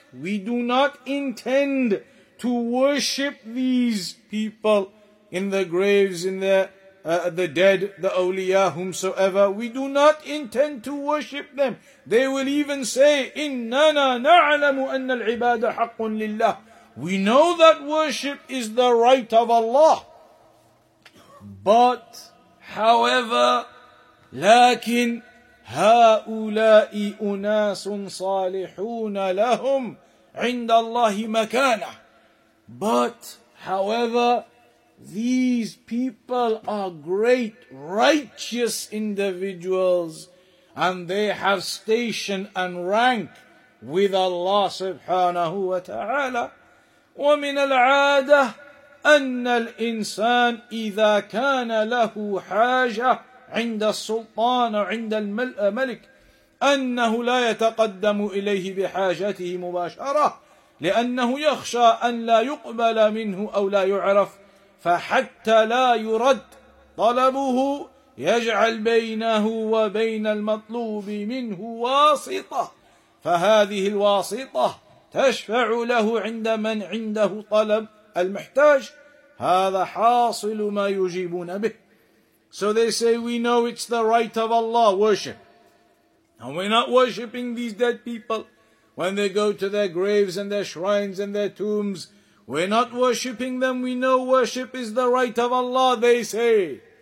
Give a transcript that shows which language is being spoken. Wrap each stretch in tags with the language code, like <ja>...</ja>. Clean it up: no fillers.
<en>We do not intend to worship these people in the graves, in the dead, the awliya, whomsoever. We do not intend to worship them. They will even say,</en> <ar>إِنَّنَا نَعْلَمُ أَنَّ الْعِبَادَ حَقٌ لِلَّهِ.</ar> <en>We know that worship is the right of Allah. But, however,</en> <ar>لكن هؤلاء أناس صالحون لهم عند الله مكانة.</ar> <en>But, however, these people are great righteous individuals and they have station and rank with Allah سبحانه وتعالى.</en> <ar>ومن العادة أن الإنسان إذا كان له حاجة عند السلطان عند الملك أنه لا يتقدم إليه بحاجته مباشرة لأنه يخشى أن لا يقبل منه أو لا يعرف فحتى لا يرد طلبه يجعل بينه وبين المطلوب منه واسطة فهذه الواسطة تشفع له عند من عنده طلب المحتاج هذا حاصل ما يجيبون به.</ar> <en>So they say, we know it's the right of Allah, worship. And we're not worshipping these dead people when they go to their graves and their shrines and their tombs. We're not worshipping them. We know worship is the right of Allah, they say.</en>